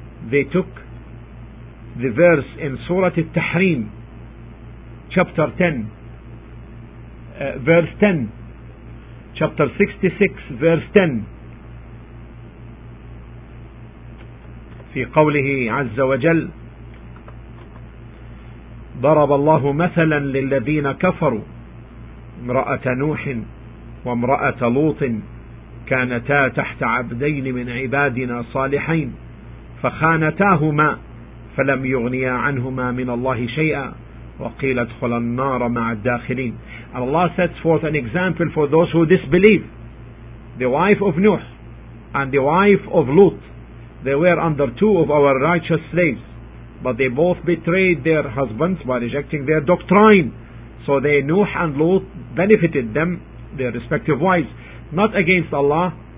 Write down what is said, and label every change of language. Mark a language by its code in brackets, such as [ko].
[en] They took the verse in Surah Al-Tahrim, chapter 10, verse 10, chapter 66, verse 10. [ar] في قوله عز وجل, ضرب الله مثلا للذين كفروا امرأة نوح وامرأة لوط كانتا تحت عبدين من عبادنا صالحين فخانتاهما فلم يغنيا عنهما من الله شيئا وقيل ادخل النار مع الداخلين. [en] Allah sets forth an example for those who disbelieve. The wife of Nuh and the wife of Lut, they were under two of our righteous slaves, but they both betrayed their husbands by rejecting their doctrine. So they, Nuh and Lut, benefited them, their respective wives, not against Allah.